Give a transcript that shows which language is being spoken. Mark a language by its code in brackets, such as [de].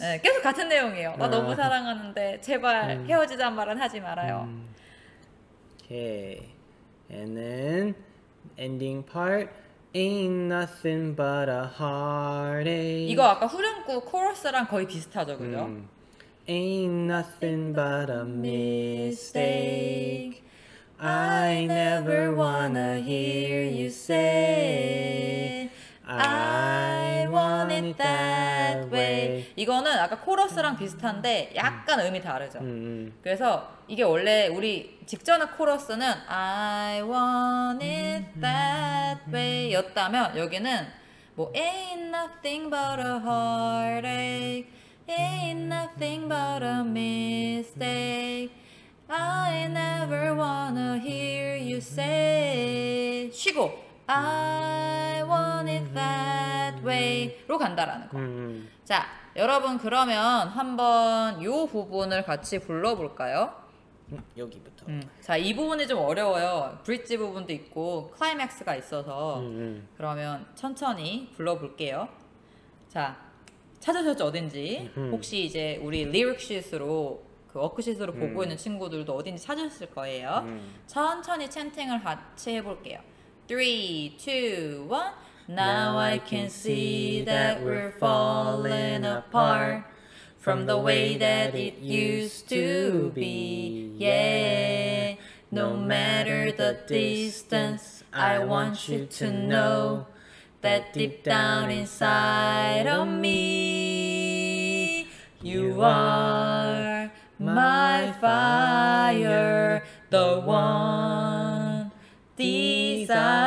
[ko] 네, 계속 같은 내용이에요. 나 너무 사랑하는데 제발 헤어지자는 말은 하지 말아요. [en] Okay, and then ending part. Ain't nothing but a heartache. [ko] 이거 아까 후렴구 코러스랑 거의 비슷하죠, 그죠? [en] Ain't nothing but a mistake. I never wanna hear you say I want it that way. [ko] 이거는 아까 코러스랑 비슷한데 약간 의미 다르죠. 그래서 이게 원래 우리 직전의 코러스는 [en] I want it that way [ko] 였다면 여기는 뭐 [en] Ain't nothing but a heartache. [ko] Ain't nothing but a mistake. I never wanna hear you say. 쉬고 [en] I want it that way [ko] 로 간다라는 거. 자, 여러분 그러면 한번 요 부분을 같이 불러볼까요? 여기부터. 자, 이 부분이 좀 어려워요. 브릿지 부분도 있고 클라이맥스가 있어서 그러면 천천히 불러볼게요. 자, 찾으셨죠 어딘지? 혹시 이제 우리 리릭시스로 그 워크시스로 보고 있는 친구들도 어딘지 찾으셨을 거예요. 천천히 챈팅을 같이 해볼게요. 3, 2, 1. [en] Now I can see that we're falling apart from the way that it used to be. Yeah, no matter the distance, I want you to know that deep down inside of me, you are my fire, the one desire.